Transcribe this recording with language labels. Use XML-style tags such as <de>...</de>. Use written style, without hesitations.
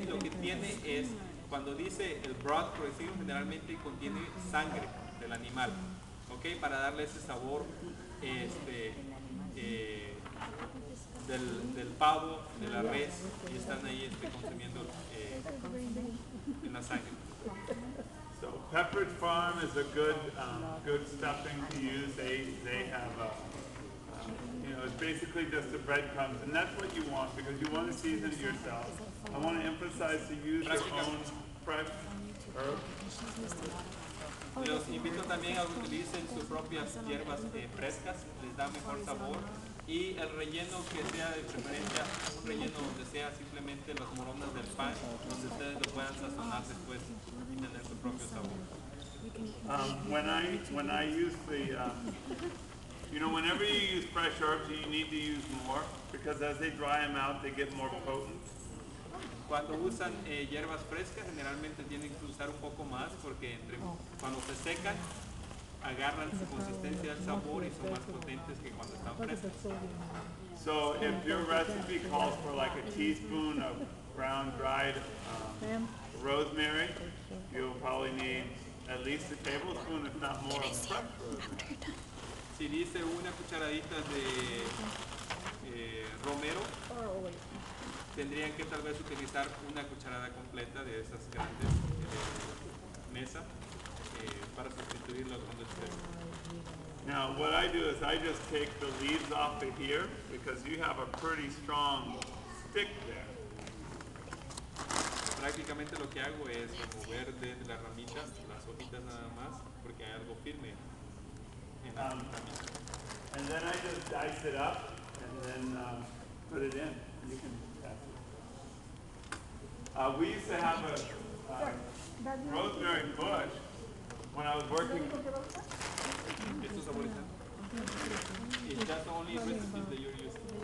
<es>Y lo que tiene es, cuando dice el broth, por decirlo, generalmente contiene sangre del animal. ¿Ok? Para darle ese sabor del pavo, de la res, y están ahí consumiendo en la sangre.</es> <en>So Pepperidge Farm is a good stuffing to use. They have it's basically just the breadcrumbs, and that's what you want because you want to season it yourself. I want to emphasize to use your own fresh herbs.</en> <es>Los invito también a utilicen sus propias hierbas frescas, les da mejor sabor. Y el relleno que sea de preferencia, un relleno donde sea simplemente los morones del pan, donde ustedes lo puedan sazonar después y tener su propio sabor.</es> <en>When I use the, you know, whenever you use fresh herbs, you need to use more, because as they dry them out, they get more potent.</en> <es>Cuando usan hierbas frescas, generalmente tienen que usar un poco más, porque cuando se secan, agarran su consistencia, el sabor, y son más potentes que cuando están frescas.</es> <en>So if your recipe calls for like a teaspoon of brown dried rosemary, you'll probably need at least a tablespoon, if not more, of fresh rosemary.</en> <es>Si dice una cucharadita de romero, tendrían que tal vez utilizar una cucharada completa de esas grandes mesas para sustituirlo cuando esté.</es> <en>Now what I do is I just take the leaves off of here because you have a pretty strong stick there.</en> <es>Prácticamente lo que hago es remover desde la ramita las hojitas nada más porque hay algo firme en la ramita.</es> <en>And then I just dice it up and then put it in. You can test it. We used to have a rosemary bush when I was working.</en> <es>Estos abuelitas. ¿Es</es> <en>only recipe that you're using?</en>